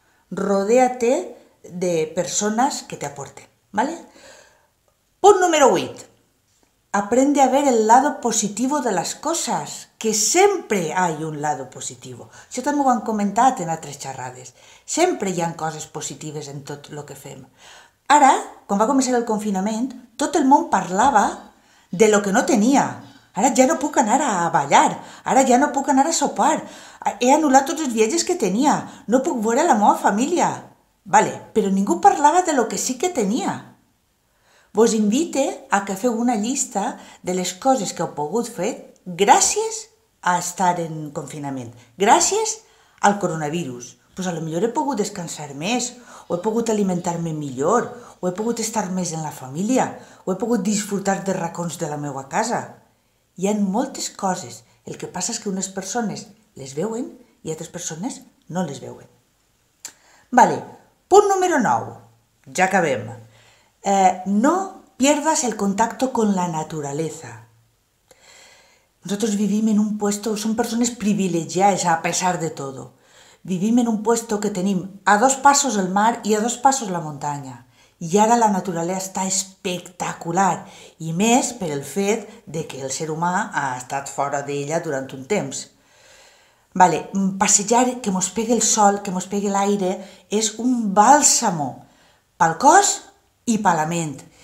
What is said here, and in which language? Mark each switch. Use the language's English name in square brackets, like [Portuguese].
[Spanish] Rodéate [Catalan] de persones que t'aporten, ¿vale? Punt número 8. [Spanish] Aprende a ver el lado positivo de las cosas, que sempre hay un lado positivo. [Catalan] Això també ho han comentat en altres xerrades. Sempre hi ha coses positives en tot el que fem. Ara, quan va començar el confinament, tot el món parlava de lo que no tenia. Ara ja no puc anar a ballar, ara ja no puc anar a sopar, he anul·lat tots els viatges que tenia, no puc veure la meva família. Vale, però ningú parlava de lo que sí que tenia. Vos invite a que feu una llista de les coses que heu pogut fer gràcies a estar en confinament, gràcies al coronavirus. Pues a lo millor he pogut descansar més, o he pogut alimentar-me millor, o he pogut estar més en la família, o he pogut disfrutar de racons de la meva casa. Hi ha moltes coses, el que passa és que unes persones les veuen i altres persones no les veuen. Vale, punt número 9, ja acabem. [Spanish] No pierdas el contacto con la naturaleza. Nosotros [Catalan] vivim [Spanish] en un puesto, son [Catalan] persones privilegiades [Spanish] a pesar de todo. [Catalan] Vivim en un puesto que tenim a dos passos el mar i a dos passos la muntanya. I ara la naturalesa està espectacular, i més per el fet de que el ser humà ha estat fora d'ella durant un temps. Vale, passejar, que mos pegui el sol, que mos pegui l'aire, és un bàlsamo pel cos i per la ment.